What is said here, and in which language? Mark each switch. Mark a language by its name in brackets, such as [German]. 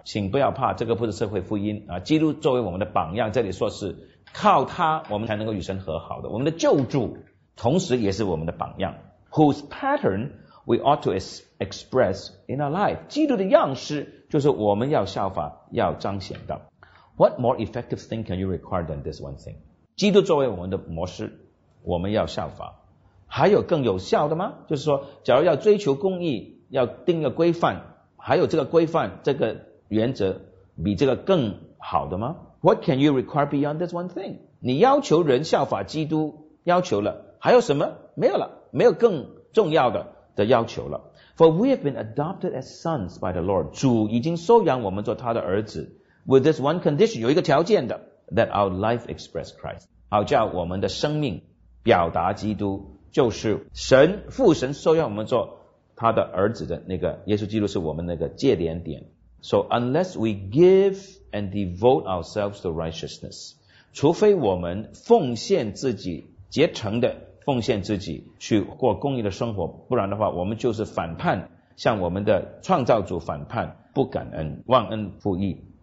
[Chinese] 请不要怕，这个不是社会福音啊，基督作为我们的榜样，这里说是靠他我们才能够与神和好的，我们的救主同时也是我们的榜样， [English] whose pattern we ought to express in our life。 [Chinese] 基督的样式就是我们要效法、要彰显的。 [English] What more effective thing can you require than this one thing？ [Chinese] 基督作为我们的模式，我们要效法，还有更有效的吗？就是说假如要追求公义，要定个规范，还有这个规范、这个原则比这个更好的吗？ [English] What can you require beyond this one thing? [Chinese] 你要求人效法基督，要求了，还有什么？没有了，没有更重要的要求了。 [English] For we have been adopted as sons by the Lord. [Chinese] 主已经收养我们做他的儿子。 [English] With this one condition, [Chinese] 有一个条件的， [English] that our life express Christ. [Chinese] 好叫我们的生命表达基督，就是神，父神收养我们做他的儿子的那个，耶稣基督是我们那个界连点。 [English] So unless we give and devote ourselves to righteousness， [Chinese] 除非我们奉献自己，竭诚的奉献自己去过公义的生活，不然的话我们就是反叛，向我们的创造主反叛，不感恩，忘恩负义。